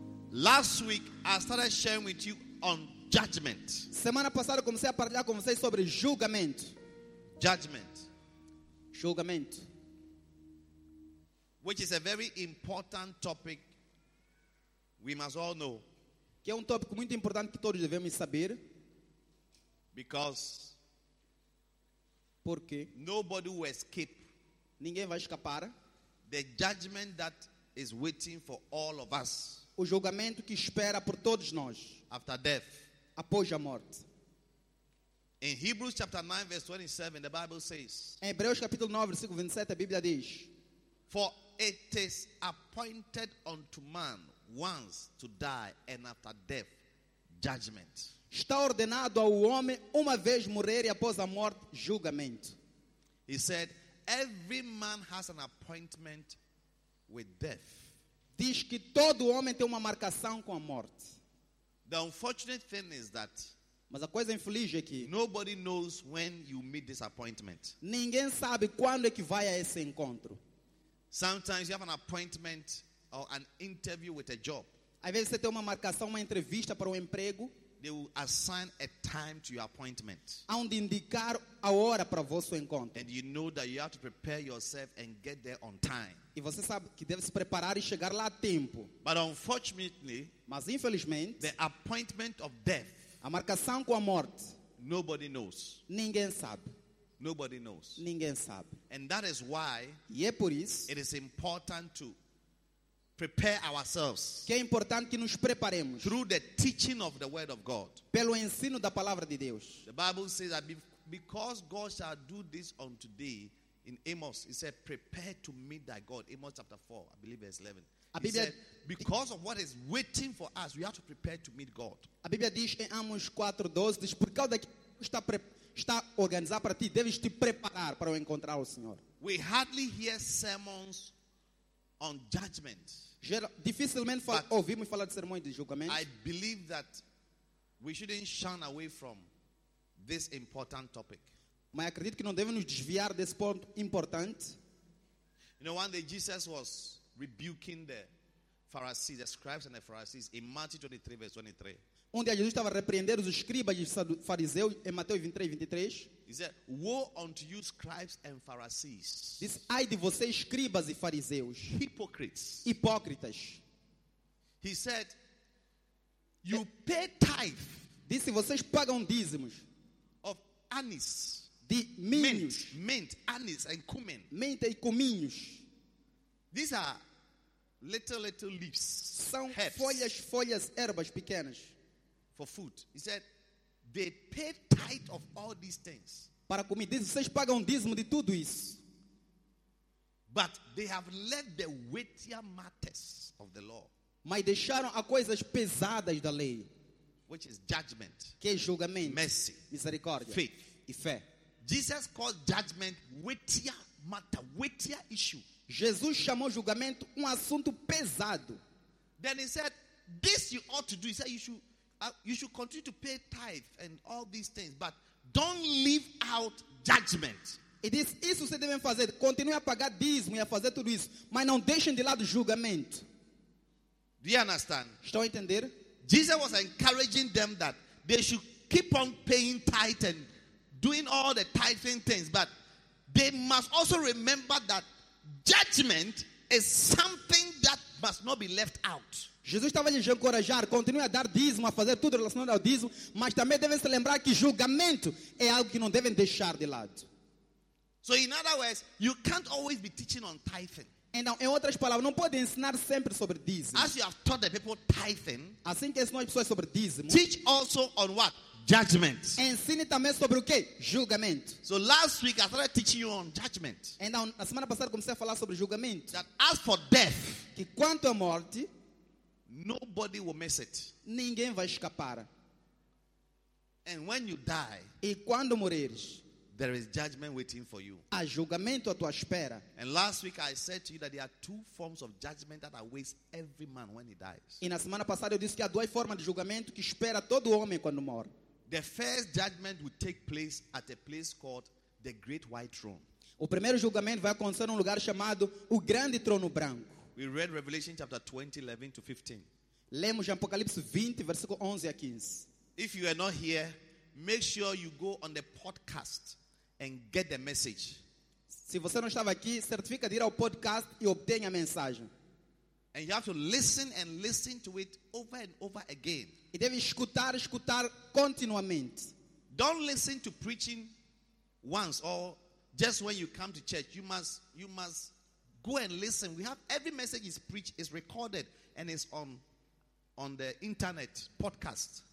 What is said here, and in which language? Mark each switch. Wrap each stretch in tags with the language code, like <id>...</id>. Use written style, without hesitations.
<en>Last week I started sharing with you on judgment.</en> <pt>Semana passada comecei a partilhar com vocês sobre julgamento.</pt> <en>Judgment.</en> <pt>Julgamento.</pt> <en>Which is a very important topic. We must all know.</en> <pt>Que é tópico muito importante que todos devemos saber.</pt> <en>Because</en> <pt>porque</pt> <en>nobody will escape.</en> <pt>Ninguém vai escapar</pt> <en>the judgment that is waiting for all of us.</en> <pt>O julgamento que espera por todos nós.</pt> <en>After death.</en> <pt>Após a morte.</pt> <en>In Hebrews chapter 9 verse 27 the Bible says.</en> <pt>Em Hebreus capítulo 9 versículo 27 a Bíblia diz.</pt> <en>For it is appointed unto man once to die and after death judgment.</en> <pt>Está ordenado ao homem uma vez morrer e após a morte julgamento.</pt> <en>He said every man has an appointment with death.</en> <pt>Diz que todo homem tem uma marcação com a morte.</pt> <en>The unfortunate thing is that</en> <pt>mas a coisa infeliz é que</pt> <en>nobody knows when you meet this appointment.</en> <pt>Ninguém sabe quando é que vai a esse encontro.</pt> <en>Sometimes you have an appointment or an interview with a job.</en> <pt>Às vezes você tem uma marcação, uma entrevista para um emprego.</pt> <en>They will assign a time to your appointment.</en> <pt>Onde indicar a hora para o vosso encontro.</pt> <en>And you know that you have to prepare yourself and get there on time.</en> <pt>E você sabe que deve se preparar e chegar lá a tempo.</pt> <en>But unfortunately,</en> <pt>mas infelizmente,</pt> <en>the appointment of death,</en> <pt>a marcação com a morte,</pt> <en>nobody knows.</en> <pt>Ninguém sabe.</pt> <en>Nobody knows.</en> <pt>Ninguém sabe.</pt> <en>And that is why,</en> <pt>e é por isso,</pt> <en>it is important to prepare ourselves.</en> <pt>Que é importante que nos preparemos.</pt> <en>Through the teaching of the word of God.</en> <pt>Pelo ensino da palavra de Deus.</pt> <en>The Bible says that because God shall do this on today, in Amos, he said, prepare to meet thy God. Amos chapter 4, I believe verse 11.</en> <pt>A Bíblia,</pt> <en>he said, because of what is waiting for us, we have to prepare to meet God.</en> <pt>A Bíblia diz em Amos 4, 12, diz, por causa que está organizado para ti, deves te preparar para encontrar o Senhor.</pt> <en>We hardly hear sermons on judgment.</en> <pt>Dificilmente ouvimos falar de sermões de julgamento.</pt> <en>I believe that we shouldn't shun away from this important topic.</en> <pt>Mas acredito que não devemos nos desviar desse ponto importante.</pt> <en>You know, one day Jesus was rebuking the Pharisees, the scribes and the Pharisees in Matthew 23, verse 23.</en> <pt>Um dia Jesus estava a repreender os escribas e os fariseus em Mateus 23, 23.</pt> <en>He said, woe unto you scribes and Pharisees.</en> <pt>Diz, ai de vocês escribas e fariseus.</pt> <en>Hypocrites.</en> <pt>Hipócritas.</pt> <en>He said, you pay tithe.</en> <pt>Disse, vocês pagam dízimos.</pt> <en>Of anise.</en> <pt>De minhos.</pt> <en>Mint, anise and cumin.</en> <pt>Menta e cominhos.</pt> <en>These are little leaves.</en> <pt>São</pt> <en>herbs.</en> <pt>Folhas, ervas pequenas.</pt> <en>For food. He said, they pay tithe of all these things.</en> <pt>Para comer, diz, vocês pagam dízimo de tudo isso.</pt> <en>But they have left the weightier matters of the law.</en> <pt>Mas deixaram as coisas pesadas da lei.</pt> <en>Which is judgment.</en> <pt>Que é julgamento.</pt> <en>Mercy.</en> <pt>Misericórdia.</pt> <en>Faith.</en> <pt>E fé.</pt> <en>Jesus called judgment weightier matter, weightier issue.</en> <pt>Jesus chamou julgamento assunto pesado.</pt> <en>Then he said, this you ought to do. He said, you should continue to pay tithe and all these things, but Don't leave out judgment.</en> <pt>E diz, isso vocês devem fazer. Continue a pagar dízimo e a fazer tudo isso. Mas não deixem de lado o julgamento.</pt> <en>Do you understand?</en> <pt>Estão a entender?</pt> <en>Jesus was encouraging them that they should keep on paying tithe and doing all the tithing things. But they must also remember that judgment is something that must not be left out.</en> <pt>Jesus estava a lhes encorajar, continue a dar dízimo, a fazer tudo relacionado ao dízimo, mas também devem se lembrar que julgamento é algo que não devem deixar de lado.</pt> <en>So in other words, you can't always be teaching on tithing.</en> <pt>Então, em outras palavras, não pode ensinar sempre sobre dízimo.</pt> <en>As you have taught the people tithing,</en> <pt>assim que ensinou as pessoas sobre dízimo,</pt> <en>teach also on what? Judgment.</en> <pt>Ensine também sobre o quê? Julgamento.</pt> <en>So last week I started teaching you on judgment.</en> <pt>Então, na semana passada comecei a falar sobre julgamento.</pt> <en>That as for death,</en> <pt>que quanto à morte,</pt> <en>nobody will miss it.</en> <pt>Ninguém vai escapar.</pt> <en>And when you die,</en> <pt>e quando morreres,</pt> <en>there is judgment waiting for you.</en> <pt>Há julgamento à tua espera.</pt> <en>And last week I said to you that there are two forms of judgment that awaits every man when he dies.</en> <pt>E na semana passada eu disse que há duas formas de julgamento que espera todo homem quando morre.</pt> <en>The first judgment will take place at a place called the Great White Throne.</en> <pt>O primeiro julgamento vai acontecer num lugar chamado o Grande Trono Branco.</pt> <en>We read Revelation chapter 20, 11 to 15.</en> <pt>Lemos Apocalipse 20, versículo 11 a 15.</pt> <en>If you are not here, make sure you go on the podcast and get the message.</en> <pt>Se você não estava aqui, certifica de ir ao podcast e obtenha a mensagem.</pt> <en>And you have to listen and listen to it over and over again.</en> <pt>E deve escutar, escutar continuamente.</pt> <en>Don't listen to preaching once or just when you come to church. You must go and listen. We have every message is preached, is recorded, and is on the internet podcast.</en>